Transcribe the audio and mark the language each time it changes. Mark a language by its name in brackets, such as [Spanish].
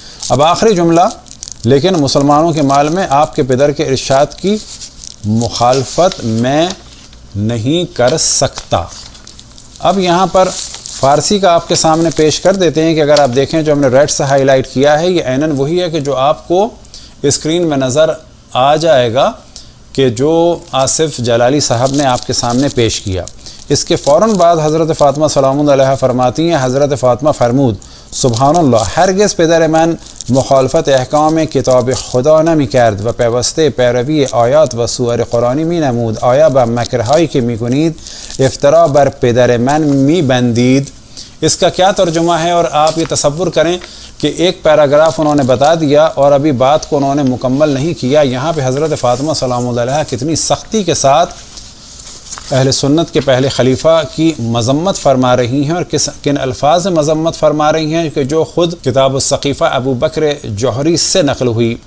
[Urdu] اب آخری جملہ، لیکن مسلمانوں کے مال میں آپ کے پدر کے ارشاد کی مخالفت میں نہیں کر سکتا. اب یہاں پر فارسی کا آپ کے سامنے پیش کر دیتے ہیں کہ اگر آپ دیکھیں جو ہم نے ریڈ سے ہائی لائٹ کیا ہے، یہ عیناً وہی ہے کہ جو آپ کو اسکرین میں نظر آ جائے گا کہ جو آصف جلالی صاحب نے آپ کے سامنے پیش کیا. اس کے فوراً بعد حضرت فاطمہ سلام اللہ علیہ فرماتی ہیں، [Persian] حضرت فاطمہ فرمود، سبحان اللہ، ہرگز پدر من مخالفت احکام کتاب خدا نمی کرد و پیوسته پیروی آیات و سور قرآنی می نمود، آیا به مکرهایی که می کنید افترا بر پدر من می بندید. [Urdu] اس کا کیا ترجمہ ہے؟ اور آپ یہ تصور کریں کہ ایک پیراگراف انہوں نے بتا دیا اور ابھی بات کو انہوں نے مکمل نہیں کیا. یہاں پہ حضرت فاطمہ سلام اللہ علیہ کتنی سختی کے ساتھ اہل سنت کے پہلے خلیفہ کی مذمت فرما رہی ہیں، اور کن الفاظ میں مذمت فرما رہی ہیں کہ جو خود کتاب الثقیفہ ابو بکر جوہری سے نقل ہوئی.